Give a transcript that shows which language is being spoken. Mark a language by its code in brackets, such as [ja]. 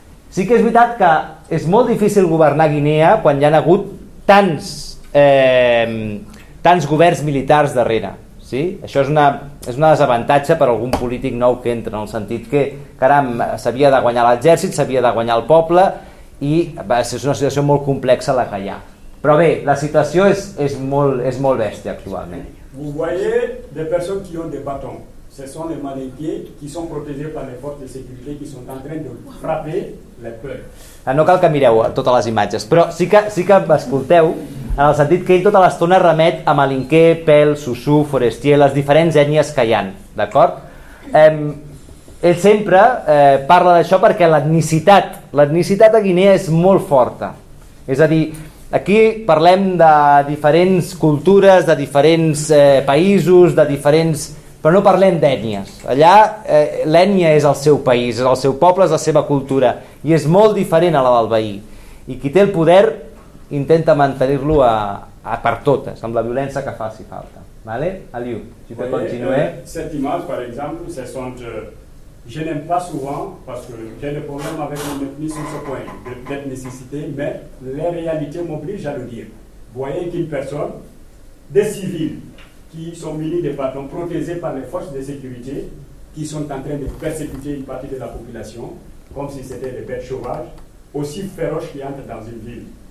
[ca] Sí que és veritat que és molt difícil governar Guinea quan hi ha hagut tants governs militars darrere. Sí? Això és un desavantatge per a algun polític nou que entra, en el sentit que caram, s'havia de guanyar l'exèrcit, s'havia de guanyar el poble, i és una situació molt complexa la que hi ha. Però bé, la situació és molt bèstia actualment. [fr] Vous voyez des personnes qui ont des bâtons. Ce sont les malinqués qui sont protégés par les forces de sécurité qui sont en train de frapper les peuples. [ca] No cal que mireu totes les imatges, però sí que m'escolteu, en el sentit que ell tota l'estona remet a malinqué, pèl, susú, forestier, les diferents ètnies que hi ha, d'acord? Ell sempre parla d'això perquè l'etnicitat a Guinea és molt forta. És a dir, aquí parlem de diferents cultures, de diferents països, de diferents, però no parlem d'ètnies. Allà l'ètnia és el seu país, és el seu poble, és la seva cultura, i és molt diferent a la del veí. I qui té el poder intenta mantenir-lo a per totes, amb la violència que faci falta. [fr] Vale, Aliou, tu peux continuer. Cette image, par exemple, c'est son. Je n'aime pas souvent parce que j'ai des problèmes avec mon ethnie sur ce point d'ethnicité, mais les réalités m'obligent à le dire. Voyez qu'une personne, des civils qui sont munis de bâtons protégés par les forces de sécurité, qui sont en train de persécuter une partie de la population, comme si c'était des bêtes sauvages, aussi féroces qui entrent dans une ville.